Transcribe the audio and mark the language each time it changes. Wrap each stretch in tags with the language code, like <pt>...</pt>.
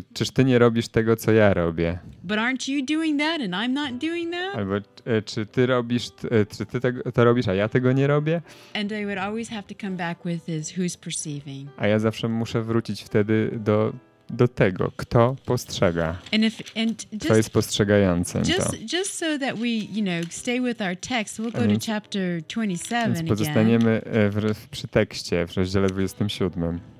<pl>Czyż ty nie robisz tego, co ja robię?</pl> <en>But aren't you doing that and I'm not doing that?</en> <pl>Albo czy ty to robisz, a ja tego nie robię?</pl> <en>And I would always have to come back with is who's perceiving.</en> <pl>A ja zawsze muszę wrócić wtedy do tego, kto postrzega.</pl> <en>And if, and just,</en> <pl>kto jest postrzegającym</pl> <en>just,</en> <pl>to.</pl> <en>Just so that we, you know, stay with our text, we'll go to chapter 27 again.</en> <pl>Więc pozostaniemy przy tekście, w rozdziale 27.</pl>